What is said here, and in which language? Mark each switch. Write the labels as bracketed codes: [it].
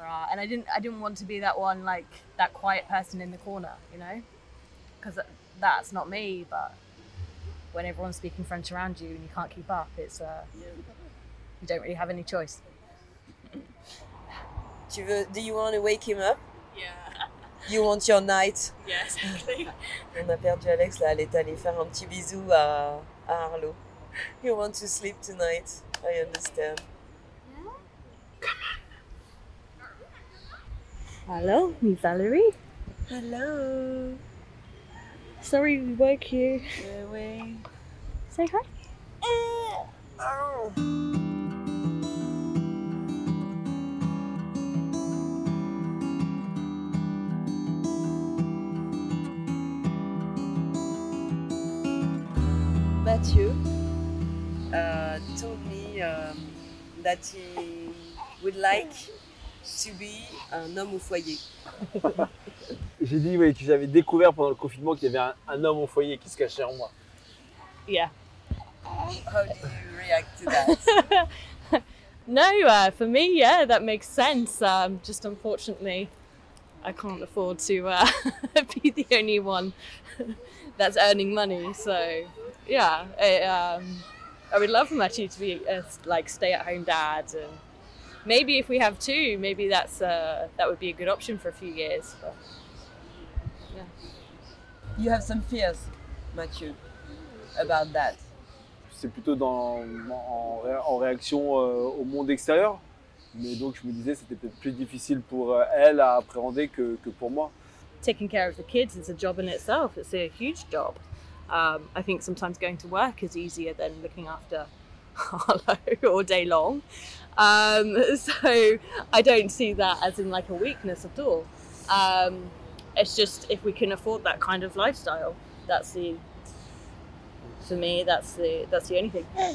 [en] And I didn't want to be that one, like that quiet person in the corner, you know? Because that's not me. But when everyone's speaking French around you and you can't keep up, it's you don't really have any choice. Do you want to wake him up? Yeah. You want your night? Yes. Exactly. [fr] On a perdu Alex là. Elle est allée faire un petit bisou à Arlo. [en] You want to sleep tonight? I understand. Come on. Hello, me Valerie. Hello. Sorry, we woke you. We. Say hi. Mathieu told me that he would like to be [fr] un homme au foyer. J'ai dit oui, que j'avais découvert pendant le confinement qu'il y avait un homme au foyer qui se cachait en moi. [en] Yeah. How do you react to that? No, for me, yeah, that makes sense. Just unfortunately, I can't afford to be the only one that's earning money. So I would love for Matthew to be a like stay-at-home dad, and maybe if we have two, maybe that's that would be a good option for a few years. But yeah, you have some fears, Matthew, about that. [fr] C'est plutôt en réaction au monde extérieur. Mais donc je me disais c'était peut-être plus difficile pour elle à appréhender que pour moi. [en] Taking care of the kids is a job in itself. It's a huge job. I think sometimes going to work is easier than looking after Harlow all day long. So I don't see that as in like a weakness at all. It's just if we can afford that kind of lifestyle, that's the for me, that's the only thing.